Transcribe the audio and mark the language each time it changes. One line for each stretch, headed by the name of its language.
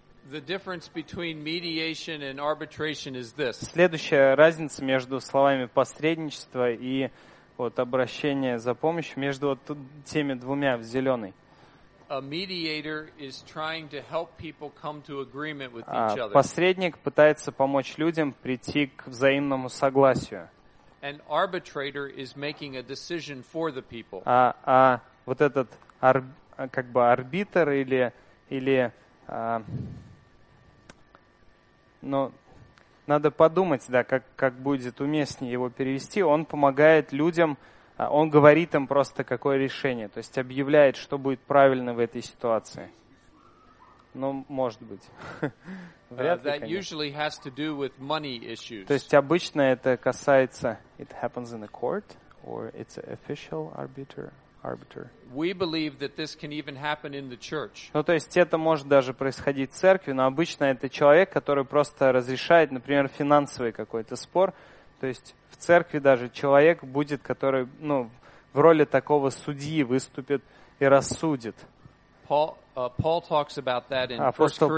English: The difference between mediation and arbitration is this.
Russian: Следующая разница между словами посредничество и вот обращение за помощью между вот теми двумя в зеленой.
English: A mediator is trying to help people come to agreement with each other.
Russian: Посредник пытается помочь людям прийти к взаимному согласию.
English: An arbitrator is making a decision for the people.
Russian: А вот этот как бы арбитр или но надо подумать, да, как будет уместнее его перевести. Он помогает людям. Он говорит им просто, какое решение. То есть объявляет, что будет правильно в этой ситуации. Ну, может быть. Вряд ли, конечно.
English: That usually has to do with money issues.
Russian: То есть обычно это касается...
English: It happens in a court? Or it's an official arbiter? We believe that this can even happen in the church.
Russian: Ну, то есть это может даже происходить в церкви, но обычно это человек, который просто разрешает, например, финансовый какой-то спор. То есть в церкви даже человек будет, который, ну, в роли такого судьи выступит и рассудит. Апостол